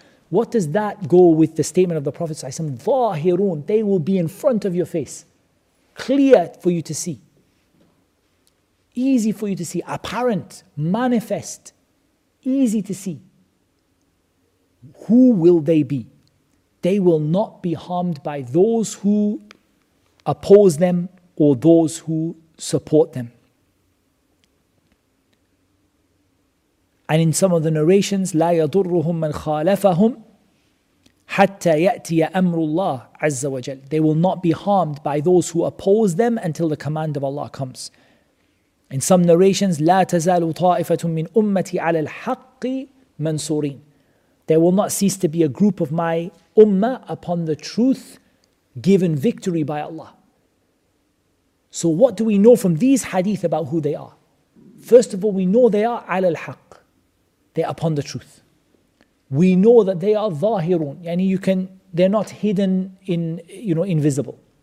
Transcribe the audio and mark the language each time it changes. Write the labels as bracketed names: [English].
[English] What does that go with the statement of the Prophet ﷺ? Zahirun, they will be in front of your face, clear for you to see, easy for you to see, apparent, manifest, easy to see. Who will they be? They will not be harmed by those who oppose them or those who support them. And in some of the narrations, [Arabic] لا يضرهم من خالفهم حتى يأتي أمر الله عز وجل. [English] They will not be harmed by those who oppose them until the command of Allah comes. In some narrations, [Arabic] لا تزال طائفة من أمتي على الحق منصورين. [English] There will not cease to be a group of my ummah upon the truth given victory by Allah. So what do we know from these hadith about who they are? First of all, we know they are al al-haq. They're upon the truth. We know that they are zahirun. Yani you can, they're not hidden in, you know, invisible.